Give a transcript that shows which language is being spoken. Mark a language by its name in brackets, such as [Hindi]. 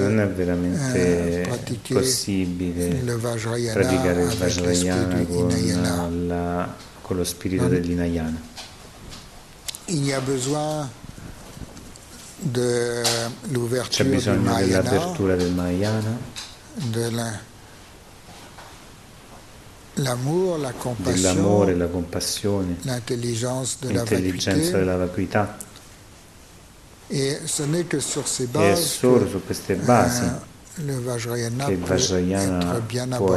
[Italian] non è veramente possibile praticare il Vajrayana con lo spirito dell'Hinayana. [French] Il y a besoin de l'ouverture [Italian] c'è bisogno Mahayana, dell'apertura del Mahayana, [French] l'amour, la compassion, [Italian] dell'amore, la compassione, [French] l'intelligence, de [Italian] l'intelligenza della vacuità. [French] Et ce n'est que sur ces bases que le Vajrayana peut Vajrayana être bien abordé.